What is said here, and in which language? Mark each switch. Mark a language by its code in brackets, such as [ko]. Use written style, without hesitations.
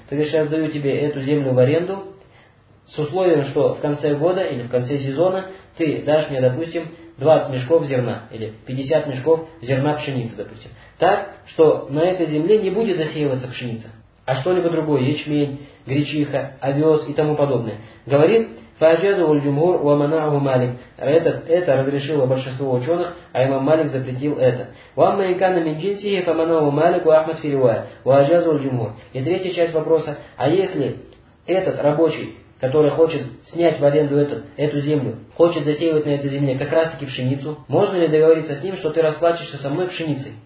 [ru] Ты говоришь, я сдаю тебе эту землю в аренду с условием, что в конце года или в конце сезона ты дашь мне, допустим, 20 мешков зерна или 50 мешков зерна пшеницы, допустим. Так, что на этой земле не будет засеиваться пшеница, а что-либо другое, ячмень, гречиха, овес и тому подобное. Говорит, [ar] فَأَجَزُهُ الْجُمْهُرُ وَمَنَعُهُ مَالِكُ. [ru] Это разрешило большинство ученых, а имам Малик запретил это. [ar] وَأَمَّا إِنْ كَانَ مِنْ جِنْسِهِ فَمَنَعُهُ مَالِكُ وَأَحْمَدُ فِي رِوَايَةٍ وَأَجَزُهُ الْجُمْهُرُ. [ru] И третья часть вопроса. А если этот рабочий, который хочет снять в аренду эту землю, хочет засеивать на этой земле как раз-таки пшеницу, можно ли договориться с ним, что ты расплачешься со мной пшеницей?